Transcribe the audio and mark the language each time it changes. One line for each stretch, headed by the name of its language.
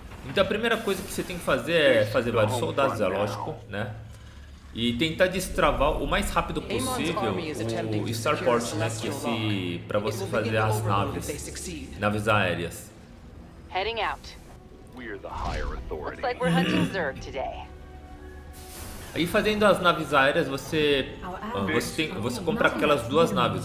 Portuguese: Então a primeira coisa que você tem que fazer é fazer vários soldados, é lógico, né? E tentar destravar o mais rápido possível o Starport, né? Que é para você fazer as naves aéreas.
English: Heading out. We're the higher authority. Looks like we're hunting Zerg today.
Portuguese: Aí fazendo as naves aéreas, você compra aquelas duas naves.